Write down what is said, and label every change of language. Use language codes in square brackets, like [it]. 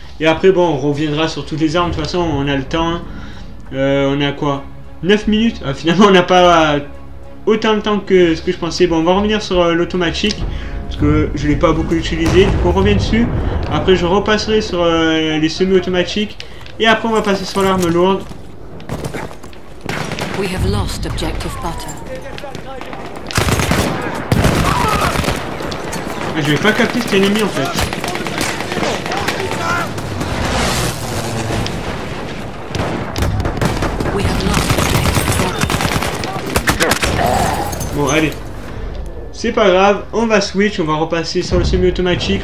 [fr] Et après, bon, on reviendra sur toutes les armes. De toute façon, on a le temps. On a quoi, 9 minutes. Finalement, on n'a pas autant de temps que ce que je pensais. Bon, on va revenir sur l'automatique parce que je l'ai pas beaucoup utilisé. Du coup, on revient dessus. Après, je repasserai sur les semi-automatiques et après, on va passer sur l'arme lourde. [en] We have lost objective butter. [fr] Ah, je vais pas capter cet ennemi en fait. Bon allez, c'est pas grave, on va switch, on va repasser sur le semi-automatique.